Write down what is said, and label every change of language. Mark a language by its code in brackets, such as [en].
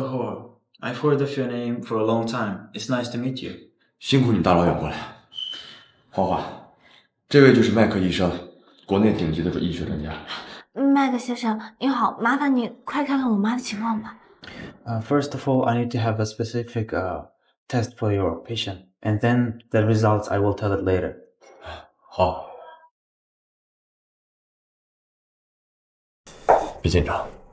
[en] Ho, I've heard of your name for a long time. It's nice to meet you. [zh] 辛苦你大老远过来。嫣嫣，这位就是麦克医生，国内顶级的医学专家。麦克先生，你好，麻烦你快看看我妈的情况吧。 [en] First of all, I need to have a specific test for your patient, and then the results I will tell it later. [zh] 好。别紧张。